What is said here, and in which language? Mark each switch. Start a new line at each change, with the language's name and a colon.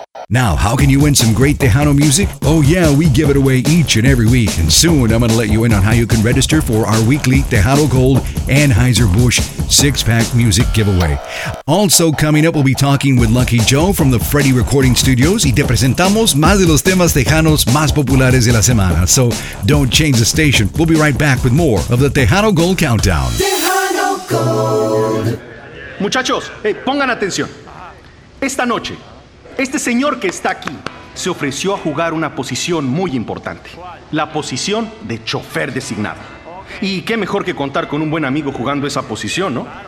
English: Now, how can you win some great Tejano music? Oh yeah, we give it away each and every week. And soon, I'm going to let you in on how you can register for our weekly Tejano Gold Anheuser-Busch six-pack music giveaway. Also coming up, we'll be talking with Lucky Joe from the Freddy Recording Studios.
Spanish: Y te presentamos más de los temas tejanos más populares de la semana.
English: So, don't change the station. We'll be right back with more of the Tejano Gold Countdown. Tejano Gold.
Spanish: Muchachos, hey, pongan atención. Esta noche, este señor que está aquí se ofreció a jugar una posición muy importante. La posición de chofer designado. Y qué mejor que contar con un buen amigo jugando esa posición, ¿no?